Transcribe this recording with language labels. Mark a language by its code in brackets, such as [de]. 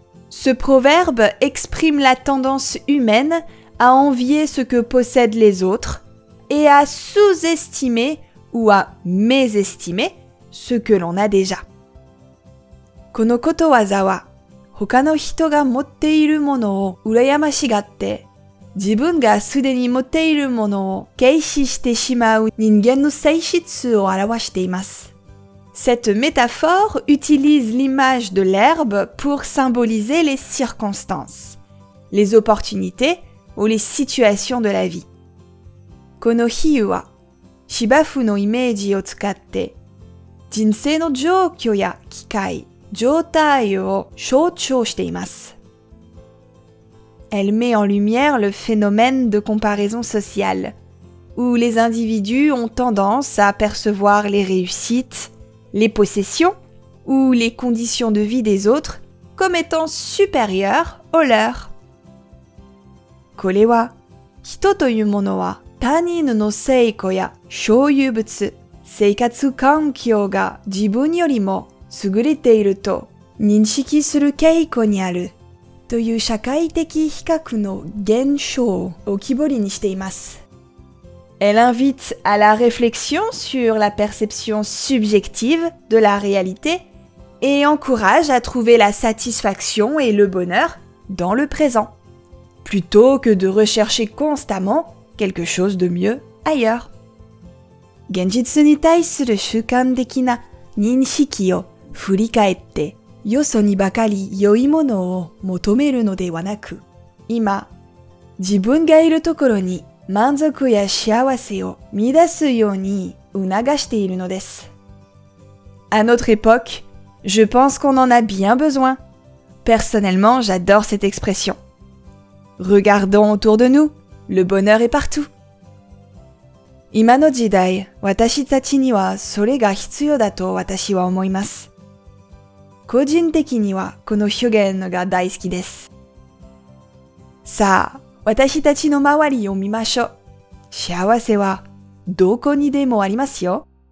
[fr] Ce proverbe exprime la tendance humaine à envier ce que possèdent les autres et à sous-estimer ou à mésestimer ce que l'on a déjà. [ja] このことわざは、他の人が持っているものを羨ましがって、自分がすでに持っているものを軽視してしまう人間の性質を表しています。 [fr] Cette métaphore utilise l'image de l'herbe pour symboliser les circonstances, les opportunités ou les situations de la vie. [ja] この比喩は、芝生のイメージを使って、人生の状況や機会、状態を象徴しています。 [fr] Elle met en lumière le phénomène de comparaison sociale, où les individus ont tendance à percevoir les réussites, les possessions ou les conditions de vie des autres comme étant supérieures aux leurs. [ja] これは、人というものは他人の成功や所有物、生活環境が自分よりも優れていると認識する傾向にあるという社会的比較の現象を浮き彫りにしています。 [fr] Elle invite à la réflexion sur la perception subjective de la réalité et encourage à trouver la satisfaction et le bonheur dans le présent, plutôt que de rechercher constamment quelque chose de mieux ailleurs. [ja] 現実に対する主観的な認識を振り返って、よそにばかり良いものを求めるのではなく、今、自分がいるところに満足や幸せを見出すように促しているのです。 [fr] À notre époque, je pense qu'on en a bien besoin. Personnellement, j'adore cette expression. Regardons autour de nous, le bonheur est partout. [ja] 今の時代、私たちにはそれが必要だと私は思います。個人的にはこの表現が大好きです。さあ、私たちの周りを見ましょう。幸せはどこにでもありますよ。